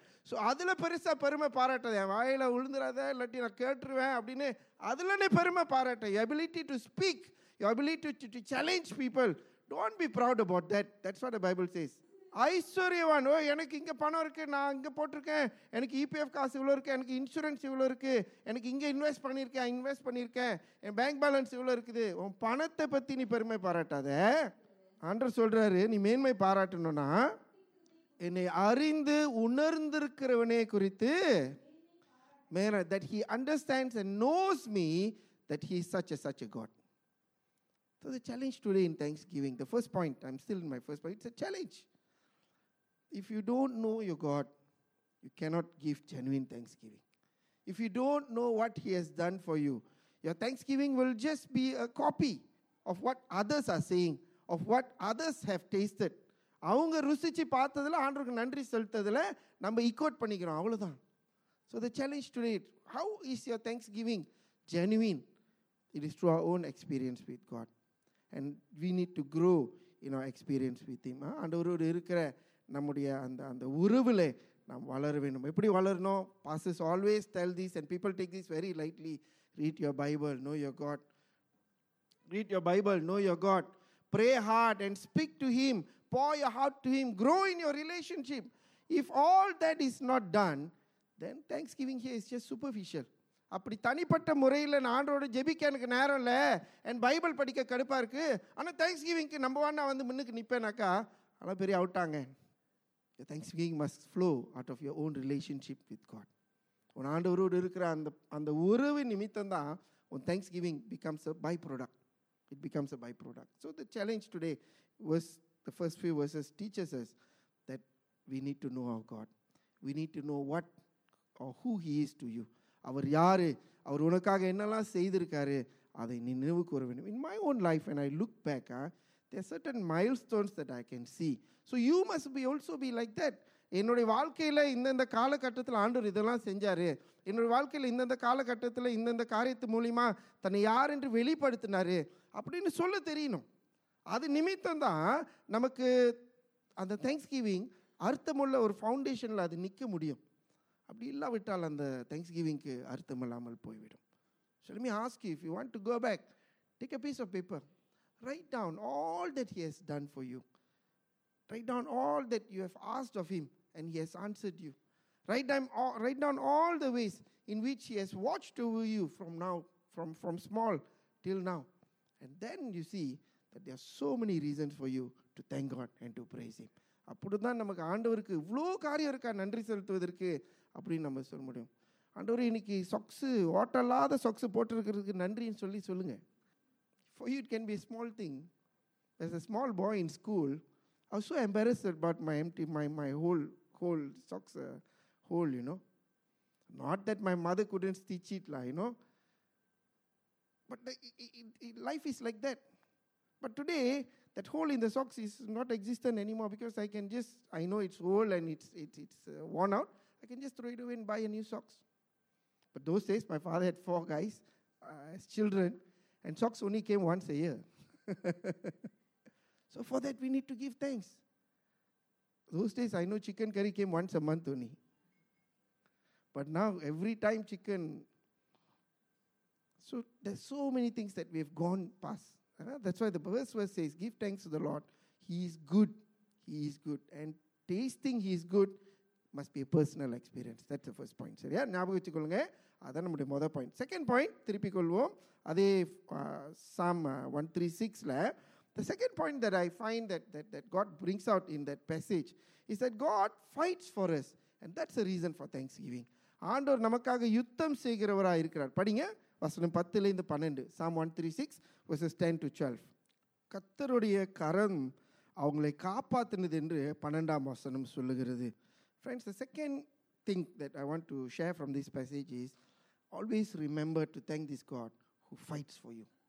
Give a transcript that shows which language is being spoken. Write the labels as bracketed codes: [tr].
[ta] So அதில் பெருசாக பெருமை பாராட்டது, என் வாயில் உழுந்துடாத இல்லாட்டி நான் கேட்டுருவேன் அப்படின்னு அதில்னே பெருமை பாராட்டேன். [en] Your ability to speak, your ability to challenge people, don't be proud about that. That's what the Bible says. [ta] ஐஸ்வர்யவான், ஓ எனக்கு இங்கே பணம் இருக்குது, நான் இங்கே போட்டிருக்கேன், எனக்கு இபிஎஃப் காசு இவ்வளோ இருக்குது, எனக்கு இன்சூரன்ஸ் இவ்வளோ இருக்குது, எனக்கு இங்கே இன்வெஸ்ட் பண்ணியிருக்கேன், இன்வெஸ்ட் பண்ணியிருக்கேன், என் பேங்க் பேலன்ஸ் இவ்வளோ இருக்குது. உன் பணத்தை பற்றி நீ பெருமை பாராட்டாத. ஆண்டர் சொல்கிறாரு நீ மேன்மை பாராட்டணும்னா என்னை அறிந்து உணர்ந்திருக்கிறவனே குறித்து மேல, [en] That he understands and knows me that he is such a God. So the challenge today in thanksgiving, the first point, I'm still in my first point, it's a challenge. If you don't know your God, you cannot give genuine thanksgiving. If you don't know what He has done for you, your thanksgiving will just be a copy of what others are saying, of what others have tasted. [ta] அவங்க ருசிச்சு பார்த்ததில் ஆண்டவருக்கு நன்றி செலுத்ததில் நம்ம ஈக்வட் பண்ணிக்கிறோம், அவ்வளோதான். [en] So the challenge today, how is your thanksgiving genuine? It is through our own experience with God. And we need to grow in our experience with Him. [ta] ஆண்டவரோடு இருக்கிற நம்முடைய அந்த உறவில் நாம் வளர வேண்டும். எப்படி வளரணும்? [en] Pastors always tell these and people take this very lightly. Read your Bible, know your God. Read your Bible, know your God. Pray hard and speak to him, pour your heart to him, grow in your relationship. If all that is not done, then thanksgiving here is just superficial. [ta] அப்படி தனிப்பட்ட முறையில் நான் ஆண்டவரோட ஜெபிக்க எனக்கு நேரம் இல்லை, என் Bible படிக்க கடுப்பாக இருக்குது, ஆனால் தேங்க்ஸ் கிவிங்க்கு நம்பர் ஒன் நான் வந்து முன்னுக்கு நிற்பேனாக்கா அவ்வளோ பெரிய அவுட்டாங்க. [en] Your thanksgiving must flow out of your own relationship with God. [ta] உன் ஆண்டவரோடு இருக்கிற அந்த உறவு நிமித்தம் தான் உன் thanks giving [en] Becomes a byproduct. It becomes a byproduct. So the challenge today verse the first few verses teachers us that we need to know our God, we need to know what are who he is to you. [ta] அவர் யார், அவர் உனக்காக என்னெல்லாம் செய்திருக்காரு அதை நீ நினைவு கூற வேண்டும். [en] In my own life and I look back, there are certain milestones that I can see. So you must be also be like that. [ta] என்னுடைய வாழ்க்கையில் இந்தந்த காலகட்டத்தில் ஆண்டவர் இதெல்லாம் செஞ்சார், என்னுடைய வாழ்க்கையில் இந்தந்த காலகட்டத்தில் இந்தந்த காரியத்து மூலியமாக தன்னை யார் என்று வெளிப்படுத்தினார் அப்படின்னு சொல்ல தெரியணும். அது நிமித்தம் தான் நமக்கு அந்த தேங்க்ஸ் கிவிங் அர்த்தமுள்ள ஒரு ஃபவுண்டேஷனில் அது நிற்க முடியும். அப்படி இல்லாவிட்டால் அந்த தேங்க்ஸ் கிவிங்க்கு அர்த்தம் இல்லாமல் போய்விடும். [en] So let me ask you, if you want to go back, take a piece of paper, write down all that he has done for you. Write down all that you have asked of him and he has answered you. Write down all the ways in which he has watched over you from now, from small till now. And then you see that there are so many reasons for you to thank God and to praise him. [ta] அப்படிதான் நமக்கு ஆண்டவருக்கு இவ்வளோ காரியம் இருக்கா நன்றி செலுத்துவதற்கு அப்படின்னு நம்ம சொல்ல முடியும். ஆண்டவர் இன்னைக்கு சொக்ஸு ஓட்டல்லாத சொக்ஸு போட்டிருக்கிறதுக்கு நன்றின்னு சொல்லி சொல்லுங்கள். [en] For you it can be a small thing. As a small boy in school I was so embarrassed about my empty, my whole socks hole, you know. Not that my mother couldn't stitch it, you know. But life is like that. But today, that hole in the socks is not existent anymore because I can just, I know it's old and it's worn out. I can just throw it away and buy a new socks. But those days, my father had four guys as children and socks only came once a year. So for that, we need to give thanks. Those days, I know chicken curry came once a month only. But now, every time chicken... So there's so many things that we have gone past. That's why the first verse says, give thanks to the Lord. He is good. He is good. And tasting He is good must be a personal experience. That's the first point. [ta] சரியா? ஞாபகம் வச்சுக்கொள்ளுங்க. அதான் நம்முடைய மொதல் point. Second point திருப்பி கொள்வோம். அதே சாம் 136ல [en] The second point that I find that God brings out in that passage is that God fights for us. And that's the reason for thanksgiving. [ta] ஆண்டவர் நமக்காக யுத்தம் செய்கிறவராக இருக்கிறார். படிங்க வசனம் 10-12. [en] Psalm 136 verses 10 to 12. [ta] கர்த்தருடைய கரம் அவங்களை காப்பாற்றினது என்று 12 வசனம் சொல்லுகிறது. [en] Friends, the second thing that I want to share from this passage is always remember to thank this God who fights for you.